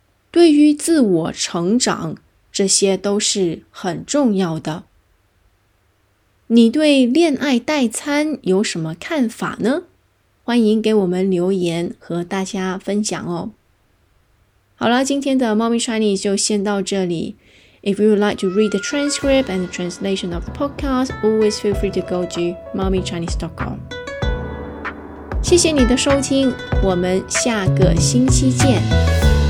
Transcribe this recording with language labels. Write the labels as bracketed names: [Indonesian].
[Chinese] 对于自我成长，这些都是很重要的。你对恋爱代餐有什么看法呢？欢迎给我们留言和大家分享哦。好了，今天的猫咪 Chinese 就先到这里。 [English] If you would like to read the transcript and the translation of the podcast, always feel free to go to mommychinese.com. [Chinese] 谢谢你的收听，我们下个星期见。